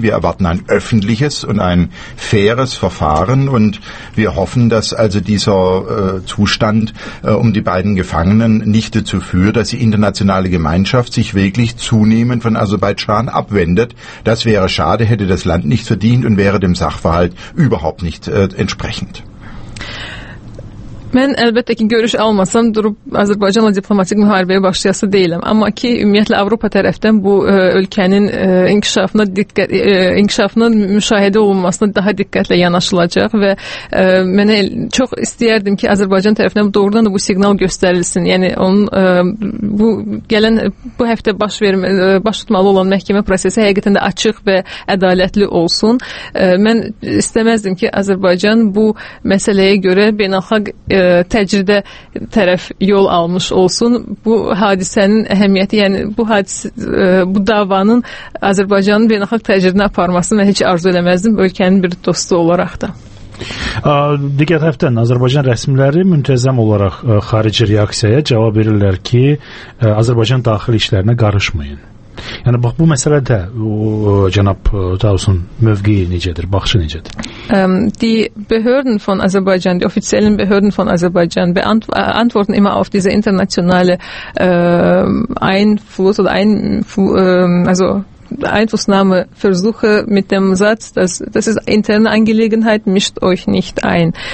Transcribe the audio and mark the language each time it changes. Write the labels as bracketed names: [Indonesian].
[German] Wir erwarten ein öffentliches und ein faires Verfahren und wir hoffen, dass also dieser Zustand um die beiden Gefangenen nicht dazu führt, dass die internationale Gemeinschaft sich wirklich zunehmend von Aserbaidschan abwendet. Das wäre schade, hätte das Land nicht verdient und wäre dem Sachverhalt überhaupt nicht entsprechend. [Azerbaijani] Mən əlbəttə ki, görüş almasam durub Azərbaycanla diplomatik müharibəyə başlayası deyiləm. Amma ki, ümumiyyətlə Avropa tərəfdən bu ölkənin inkişafının müşahidə olunmasına daha diqqətlə yanaşılacaq və mənə çox istəyərdim ki, Azərbaycan tərəfindən doğrudan da bu siqnal göstərilsin. Yəni, onun bu gələn bu həftə baş tutmalı olan məhkəmə prosesi həqiqətən də açıq və ədalətli olsun. Mən istəməzdim ki, Azərbaycan bu məsələyə görə beynəlxalq təcridə tərəf yol almış olsun. Bu hadisənin əhəmiyyəti, yəni bu davanın Azərbaycanın beynəlxalq təcridinə aparmasını mən heç arzu eləməzdim ölkənin bir dostu olaraq da. Digər tərəfdən Azərbaycan rəsmiləri müntəzəm olaraq xarici reaksiyaya cavab verirlər ki, Azərbaycan daxili işlərinə qarışmayın. Yəni, bax, bu məsələdə cənab Tausun mövqeyi necədir, baxışı necədir? [German] Die Behörden von Aserbaidschan, die offiziellen Behörden von Aserbaidschan antworten immer auf diese internationale Einfluss oder also Einflussnahmeversuche mit dem Satz, dass das ist interne Angelegenheit, mischt euch nicht ein.